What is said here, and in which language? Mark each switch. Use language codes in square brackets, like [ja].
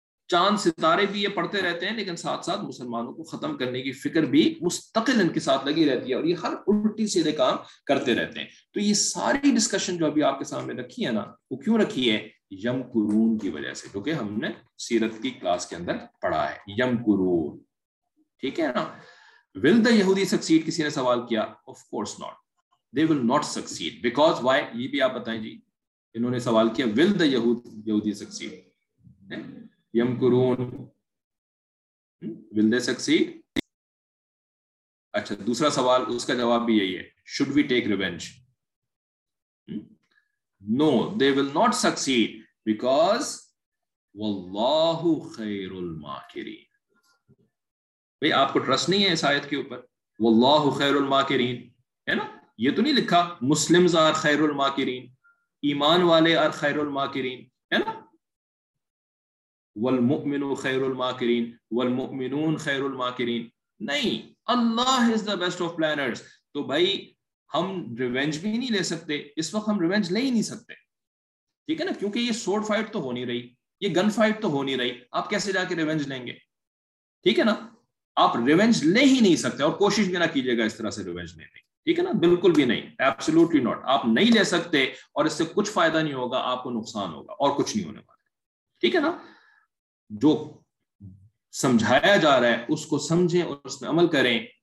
[ur] چاند ستارے بھی یہ پڑھتے رہتے ہیں, لیکن ساتھ ساتھ مسلمانوں کو ختم کرنے کی فکر بھی مستقل ان کے ساتھ لگی رہتی ہے, اور یہ ہر الٹی سیدھے کام کرتے رہتے ہیں. تو یہ ساری ڈسکشن جو ابھی آپ کے سامنے رکھی ہے نا, وہ کیوں رکھی ہے, [ar] یم قرون [ur] کی وجہ سے, کیونکہ ہم نے سیرت کی کلاس کے اندر پڑھا ہے یم قرون, ٹھیک ہے نا. [en] will the یہودی succeed, [ur] کسی نے سوال کیا, [en] of course not, they will not succeed, because why, [ur] یہ بھی آپ بتائیں جی, انہوں نے سوال کیا, [en] will the یہودی succeed, [ar] یم قرون, [en] Will they succeed. [ur] اچھا, دوسرا سوال, اس کا جواب بھی یہی ہے, [en] should we take revenge, no they will not succeed, [ur] because [ar] واللہ خیر الماکرین. [ur] بھائی آپ کو ٹرسٹ نہیں ہے اس آیت کے اوپر, [ar] واللہ خیر الماکرین, [ur] ہے نا, یہ تو نہیں لکھا مسلمز آر خیر الماکرین, ایمان والے آر خیر الماکرین, ہے نا. [ar] والمؤمن خير الماكرين والمؤمنون خير الماكرين. [en] نہیں, اللہ is the best of planners. [ur] تو بھائی ہم ریونج بھی نہیں لے سکتے, اس وقت ہم ریونج لے ہی نہیں سکتے, ٹھیک ہے نا, کیونکہ یہ سورڈ فائٹ تو ہو نہیں رہی, یہ گن فائٹ تو ہو نہیں رہی, آپ کیسے جا کے ریونج لیں گے, ٹھیک ہے نا, آپ ریونج لے ہی نہیں سکتے, اور کوشش بھی نہ کیجیے گا اس طرح سے ریونج لینے کی, ٹھیک ہے نا, بالکل بھی نہیں, [en] absolutely not, [ur] آپ نہیں لے سکتے اور اس سے کچھ فائدہ نہیں ہوگا, آپ کو نقصان ہوگا اور کچھ نہیں ہونے والا, ٹھیک ہے نا, جو سمجھایا جا رہا ہے اس کو سمجھیں اور اس میں عمل کریں.